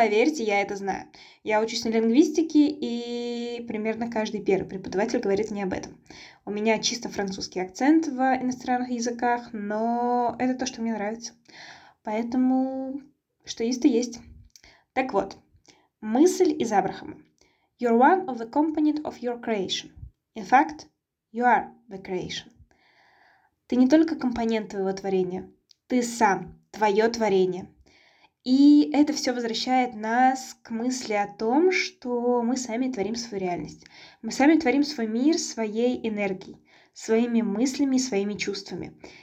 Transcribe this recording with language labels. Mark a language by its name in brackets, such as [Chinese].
[Russian] Поверьте, я это знаю. Я учусь на лингвистике, и примерно каждый первый преподаватель говорит мне об этом. У меня чисто французский акцент в иностранных языках, но это то, что мне нравится. Поэтому что есть, то есть. Так вот, мысль из Абрахама. [English] You're one of the component of your creation. In fact, you are the creation. [Russian] Ты не только компонент твоего творения, ты сам, твое творение. И это все возвращает нас к мысли о том, что мы сами творим свою реальность. Мы сами творим свой мир своей энергией, своими мыслями, своими чувствами.